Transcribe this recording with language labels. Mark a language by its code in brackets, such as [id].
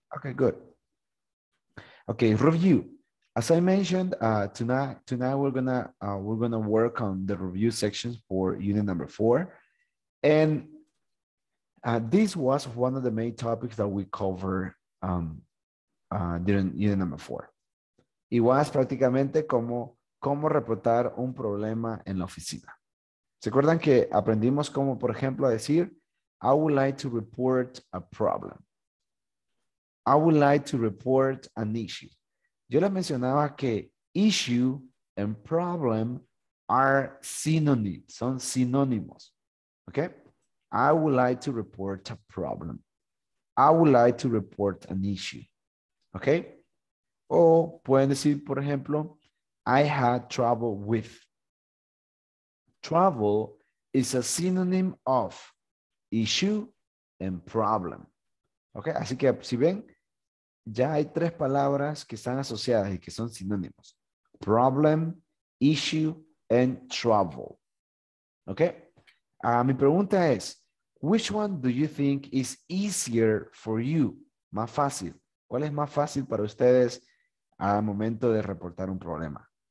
[en] Okay, good. Okay, review. As I mentioned, tonight we're gonna work on the review sections for unit number 4, and this was one of the main topics that we covered during unit number 4. It was [es] prácticamente cómo reportar un problema en la oficina. ¿Se acuerdan que aprendimos cómo, por ejemplo, a decir [en] I would like to report a problem. I would like to report an issue. [es] Yo les mencionaba que [en] issue and problem are synonyms, [es] son sinónimos, [en] okay? I would like to report a problem. I would like to report an issue, okay? [es] O pueden decir, por ejemplo, [en] I had trouble with. Trouble is a synonym of issue and problem, okay? [es] Así que si ven, ya hay tres palabras que están asociadas y que son sinónimos. [en] Problem, issue, and trouble. ¿Ok? [es] Mi pregunta es, [en] which one do you think is easier for you? [es] Más fácil. ¿Cuál es más fácil para ustedes al momento de reportar un problema?